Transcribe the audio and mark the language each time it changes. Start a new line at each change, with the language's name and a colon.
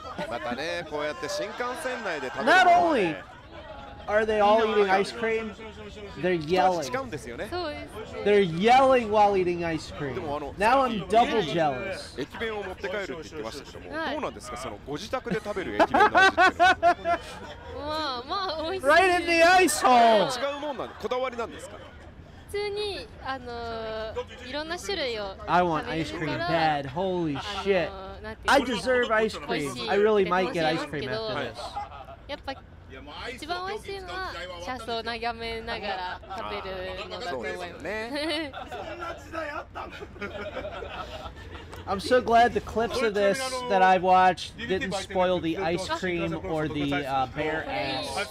English: Not only are they all eating ice cream, they're yelling. They're yelling while eating ice cream. Now I'm double jealous.
Japanese: 駅弁を持って帰るって言ってましたけども、どうなんですか、そのご自宅で食べる駅弁の味っていうのは。
English: Right in the ice hole!
Japanese: 違うもんなんで、こだわりなんですか。普通に、いろんな種類を
English: I want ice cream bad. Holy shit. I deserve ice cream. I really might get ice cream after this.
Japanese: やっぱ一番美味しいのは車窓を眺めながら食べるのだと思います。そうですね。そんな時代あったの。
English: I'm so glad the clips of this that I watched didn't spoil the ice cream or the bear ass.